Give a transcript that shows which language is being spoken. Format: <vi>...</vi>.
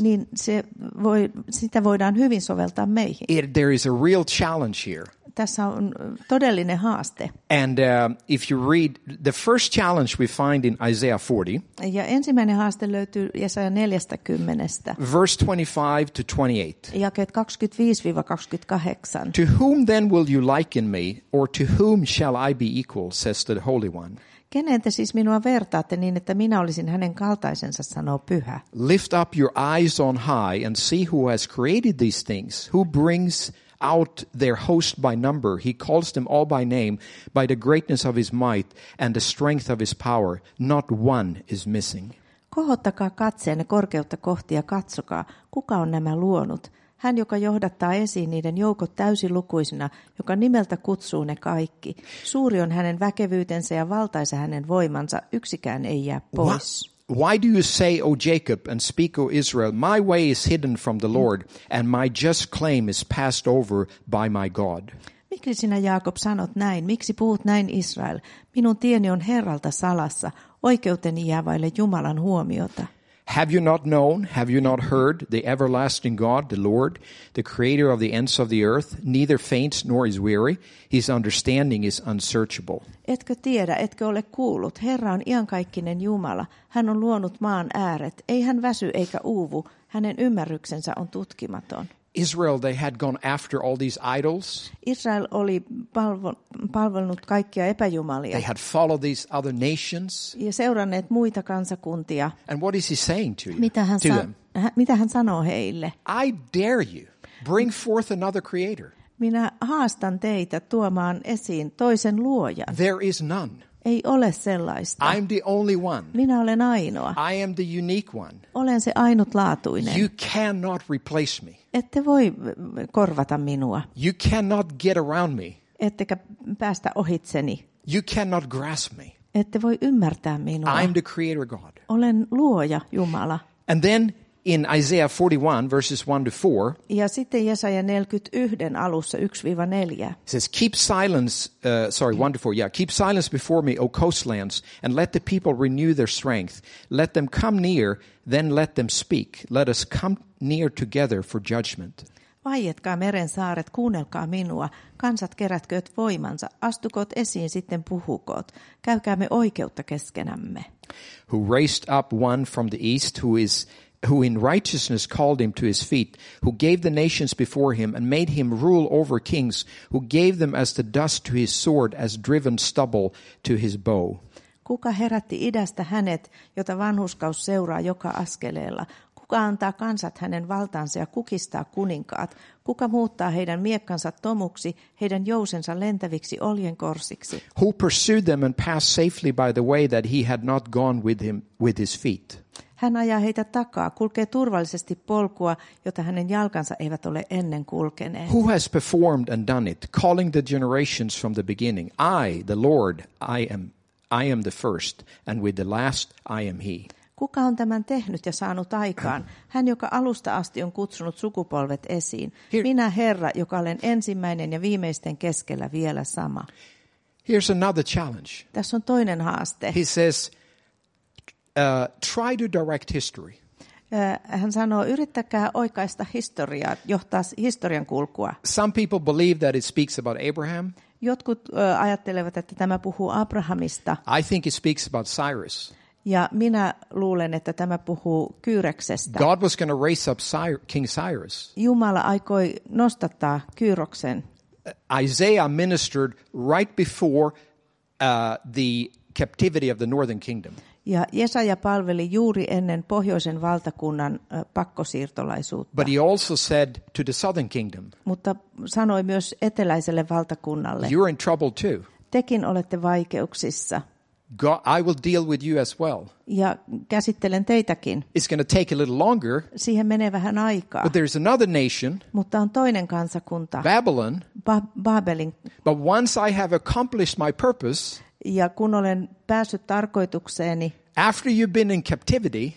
<fi>Niin se voi, sitä voidaan hyvin soveltaa meihin.</fi> <en>There is a real challenge here.</en> <fi>Tässä on todellinen haaste.</fi> <en>And if you read the first challenge we find in Isaiah 40.</en> <fi>Ja ensimmäinen haaste löytyy Jesaja 40:stä.</fi> <en>Verse 25 to 28.</en> <fi>Jakeet 25-28.</fi> <en>To whom then will you liken me, or to whom shall I be equal, says the Holy One?</en> <fi>Keneen te siis minua vertaatte niin, että minä olisin hänen kaltaisensa, sanoo Pyhä.</fi> <en>Lift up your eyes on high and see who has created these things, who brings out their host by number. He calls them all by name, by the greatness of his might and the strength of his power. Not one is missing.</en> <fi>Kohottakaa katseenne korkeutta kohti ja katsokaa, kuka on nämä luonut. Hän, joka johdattaa esiin niiden joukot täysilukuisina, joka nimeltä kutsuu ne kaikki. Suuri on hänen väkevyytensä ja valtaisa hänen voimansa, yksikään ei jää pois.</fi> <en>Why do you say, O Jacob, and speak, O Israel, my way is hidden from the Lord, and my just claim is passed over by my God?</en> <fi>Miksi sinä, Jaakob, sanot näin? Miksi puhut näin, Israel? Minun tieni on Herralta salassa, oikeuteni jää vaille Jumalan huomiota.</fi> <en>Have you not known, have you not heard, the everlasting God, the Lord, the creator of the ends of the earth, neither faints nor is weary, his understanding is unsearchable.</en> <fi>Etkö tiedä, etkö ole kuullut, Herra on iankaikkinen Jumala, hän on luonut maan ääret, ei hän väsy eikä uuvu, hänen ymmärryksensä on tutkimaton.</fi> <en>Israel, they had gone after all these idols.</en> <fi>Israel oli palvonut kaikkia epäjumalia.</fi> <en>They had followed these other nations.</en> <fi>Ja seuranneet muita kansakuntia.</fi> <en>And what is he saying to you?</en> <fi>Mitä hän, mitä hän sanoo heille?</fi> <en>I dare you, bring forth another creator.</en> <fi>Minä haastan teitä tuomaan esiin toisen luojan.</fi> <en>There is none.</en> <fi>Ei ole sellaista.</fi> <en>I'm the only one.</en> <fi>Minä olen ainoa.</fi> <en>I am the unique one.</en> <fi>Olen se ainutlaatuinen.</fi> <en>You cannot replace me.</en> <fi>Ette voi korvata minua.</fi> <en>You cannot get around me.</en> <fi>Ettekä päästä ohitseni.</fi> <en>You cannot grasp me.</en> <fi>Ette voi ymmärtää minua.</fi> <en>I'm the creator God.</en> <fi>Olen luoja Jumala.</fi> <en>And then in Isaiah 41 verses 1 to 4.</en> <fi>Ja sitten Jesaja 41 alussa 1-4.</fi> <en>Says keep silence 1 to 4. Yeah, keep silence before me, O coastlands, and let the people renew their strength. Let them come near, then let them speak. Let us come near together for judgment.</en> <fi>Vaietkaa meren saaret, kuunnelkaa minua. Kansat kerätkööt voimansa. Astukoot esiin, sitten puhukoot. Käykäämme oikeutta keskenämme.</fi> <en>Who raised up one from the east who in righteousness called him to his feet, who gave the nations before him and made him rule over kings, who gave them as the dust to his sword, as driven stubble to his bow.</en> <fi>Kuka herätti idästä hänet, jota vanhurskaus seuraa joka askeleella? Kuka antaa kansat hänen valtaansa ja kukistaa kuninkaat? Kuka muuttaa heidän miekkansa tomuksi, heidän jousensa lentäviksi oljenkorsiksi?</fi> <en>Who pursued them and passed safely by the way that he had not gone with him with his feet?</en> <fi>Hän ajaa heitä takaa, kulkee turvallisesti polkua, jota hänen jalkansa eivät ole ennen kulkeneet.</fi> <en>Who has performed and done it, calling the generations from the beginning? I, the Lord, I am the first, and with the last I am he.</en> <fi>Kuka on tämän tehnyt ja saanut aikaan? Hän, joka alusta asti on kutsunut sukupolvet esiin. Minä, Herra, joka olen ensimmäinen ja viimeisten keskellä vielä sama.</fi> <en>Here's another challenge.</en> <fi>Tässä on toinen haaste.</fi> <en>He says, try to direct history.</en> <fi>Hän sanoo, yrittäkää oikaista historiaa, johtaa historian kulkua.</fi> <en>Some people believe that it speaks about Abraham.</en> <fi>Jotkut ajattelevat, että tämä puhuu Abrahamista.</fi> <en>I think it speaks about Cyrus.</en> <fi>Ja minä luulen, että tämä puhuu Kyyreksestä.</fi> <en>God was going to raise up King Cyrus.</en> <fi>Jumala aikoi nostattaa Kyyroksen.</fi> <en>Isaiah ministered right before the captivity of the northern kingdom.</en> <fi>Ja Jesaja palveli juuri ennen pohjoisen valtakunnan pakkosiirtolaisuutta.</fi> <en>But he also said to the southern kingdom.</en> <fi>Mutta sanoi myös eteläiselle valtakunnalle.</fi> <en>You're in trouble too.</en> <fi>Tekin olette vaikeuksissa.</fi> <en>God, I will deal with you as well.</en> <fi>Ja käsittelen teitäkin.</fi> <en>It's going to take a little longer.</en> <fi>Siihen menee vähän aikaa.</fi> <en>But there's another nation.</en> <fi>Mutta on toinen kansakunta.</fi> <en>Babylon.</en> <fi>Babelin.</fi> <en>But once I have accomplished my purpose.</en> <fi>Ja kun olen päässyt tarkoitukseeni.</fi> <en>After you've been in captivity.</en>